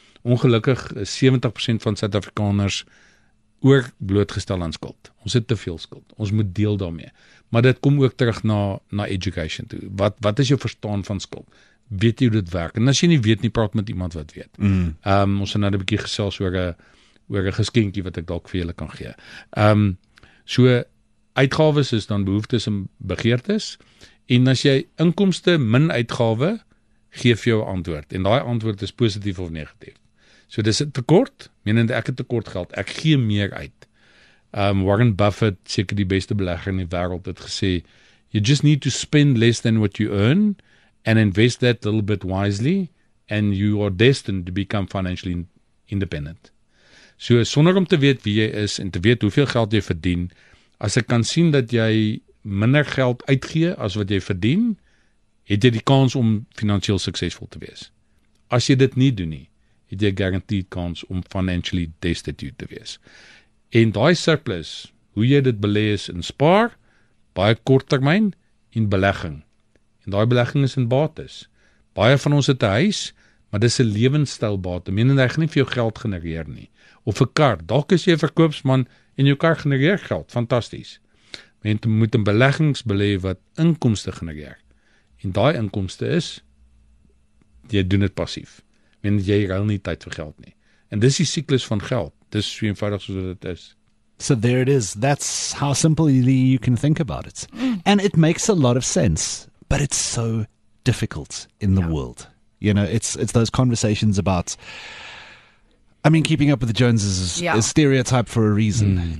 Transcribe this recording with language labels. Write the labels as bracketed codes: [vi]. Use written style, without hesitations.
[af] Ongelukkig is 70% van Suid-Afrikaners ook blootgestel aan skuld. Ons het te veel skuld. Ons moet deel daarmee. Maar dit kom ook terug na education toe. Wat is jou verstaan van skuld? Weet jy hoe dit werk? En as jy nie weet nie, praat met iemand wat weet. Ons het nou 'n bietjie gesels oor 'n geskenkie wat ek dalk vir julle kan gee. So uitgawes is dan behoeftes en begeertes. En as jy inkomste min uitgawe, gee vir jou 'n antwoord. En daai antwoord is positief of negatief. So dis 'n tekort, menende ek het tekort geld, ek gee meer uit. Warren Buffett, seker die beste belegger in die wêreld, het gesê, [en] "You just need to spend less than what you earn." And invest that little bit wisely, and you are destined to become financially independent. [af] So, sonder om te weet wie jy is, en te weet hoeveel geld jy verdien, as ek kan sien dat jy minder geld uitgee as wat jy verdien, het jy die kans om financieel suksesvol te wees. As jy dit nie doen nie, het jy garanteed kans om [en] financially destitute [af] te wees. En daai surplus, hoe jy dit belee is in spaar, baie kort termyn, en belegging. Daai belegging is in bates. Baie van ons het 'n huis, maar dis 'n lewenstylbate. Meen en hy gaan nie vir jou geld genereer nie. Of 'n kar. Dalk is jy 'n verkoopsman en jou kar genereer geld. Fantasties. Men moet in beleggings belê wat inkomste genereer. En daai inkomste is, jy doen dit passief. Men jy ruil nie tyd vir geld nie. En dis die siklus van geld. Dis so eenvoudig soos dit is. [en] So there it is. That's how simply you can think about it. And it makes a lot of sense. But it's so difficult in the world. You know, it's those conversations about, I mean, keeping up with the Joneses is stereotype for a reason.